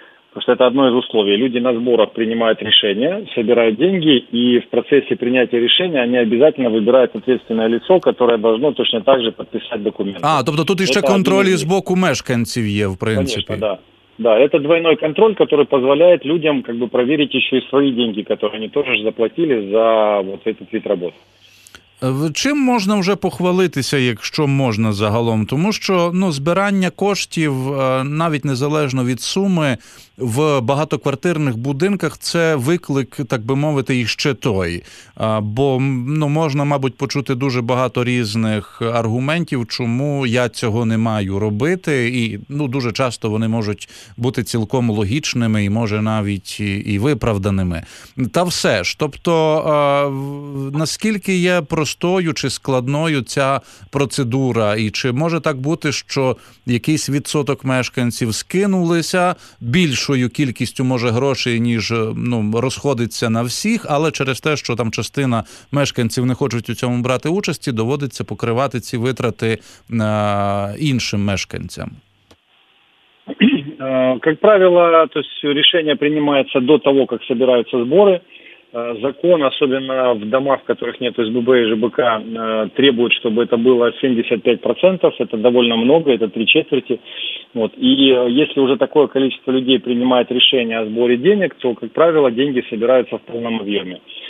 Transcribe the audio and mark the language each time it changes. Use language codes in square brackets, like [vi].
[ru] Потому что это одно из условий. Люди на сборах принимают решения, собирают деньги, и в процессе принятия решения они обязательно выбирают ответственное лицо, которое должно точно так же подписать документы. А, то есть тут еще контроль из [uk] боку мешканцев [ru] есть, в принципе. Конечно, да. Да, это двойной контроль, который позволяет людям как бы проверить еще и свои деньги, которые они тоже заплатили за вот этот вид работы. [uk] Чим можна вже похвалитися, якщо можна загалом? Тому що, ну, збирання коштів, навіть незалежно від суми, в багатоквартирних будинках – це виклик, так би мовити, іще той. Бо, ну, можна, мабуть, почути дуже багато різних аргументів, чому я цього не маю робити. І, ну, дуже часто вони можуть бути цілком логічними і, може, навіть і виправданими. Та все ж. Тобто, наскільки є простою чи складною ця процедура? І чи може так бути, що якийсь відсоток мешканців скинулися більшою кількістю, може, грошей, ніж, ну, розходиться на всіх, але через те, що там частина мешканців не хочуть у цьому брати участі, доводиться покривати ці витрати іншим мешканцям? Як правило, [ru] то есть [uk] рішення приймається до того, як збираються збори. [ru] Закон, особенно в домах, в которых нет СББ и ЖБК, требует, чтобы это было 75%. Это довольно много, это 3/4. Вот. И если уже такое количество людей принимает решение о сборе денег, то, как правило, деньги собираются в полном объеме.